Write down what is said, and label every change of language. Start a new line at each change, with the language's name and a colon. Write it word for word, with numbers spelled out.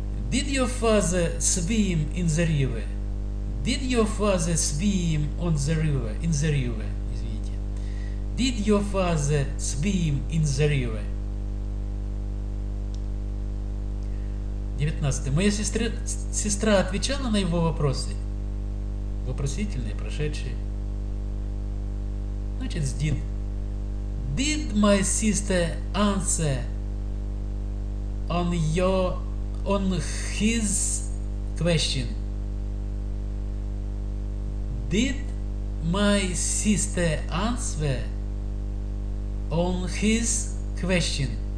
English: Did your father swim in the river? Did your father swim on the river? In the river, извините. Did your father swim in the river?
Russian: Девятнадцатое. Моя сестра, сестра отвечала на его вопросы? Вопросительные, прошедшие. Значит, did.
English: Did my sister answer on your, on his question? Did my sister answer on his question?